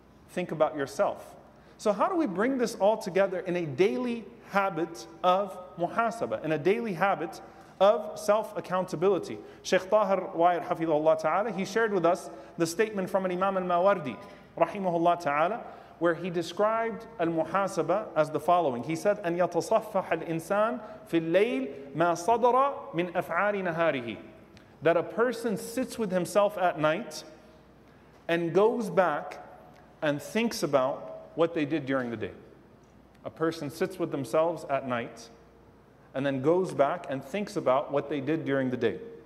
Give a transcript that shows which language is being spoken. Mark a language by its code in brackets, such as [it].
[en] Think about yourself. So how do we bring this all together in a daily habit of muhasabah, in a daily habit of self-accountability? Shaykh Tahir Wair, hafidhahullah ta'ala, he shared with us the statement from an Imam al-Mawardi, rahimahullah ta'ala, where he described al-muhasabah as the following. He said, [ar] أَنْ يَتَصَفَّحَ الْإِنسَانِ فِي اللَّيْلِ مَا صَدَرَ مِنْ أَفْعَالِ نَهَارِهِ. [en] That a person sits with himself at night and goes back and thinks about what they did during the day. A person sits with themselves at night and then goes back and thinks about what they did during the day.